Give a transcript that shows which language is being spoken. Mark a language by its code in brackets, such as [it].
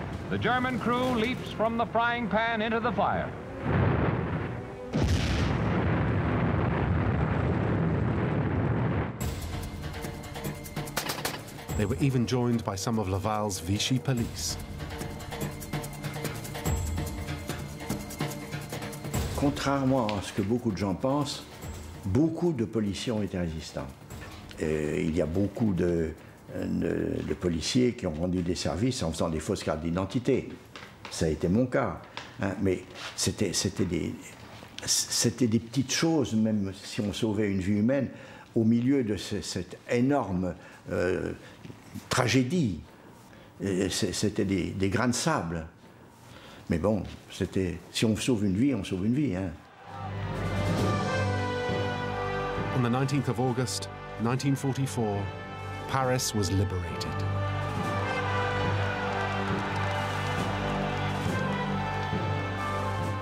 [en] The German crew leaps from the frying pan into the fire. They were even joined by some of Laval's Vichy police. [fr] Contrairement à ce que beaucoup de gens pensent, beaucoup de policiers ont été résistants. Et il y a beaucoup de policiers qui ont rendu des services en faisant des fausses cartes d'identité. Ça a été mon cas. Hein, mais c'était des petites choses, même si on sauvait une vie humaine, au milieu de cette énorme tragédie. Et c'était des grains de sable. Mais bon, c'était, si on sauve une vie, on sauve une vie. Hein. [en] On the 19th of August, 1944, Paris was liberated.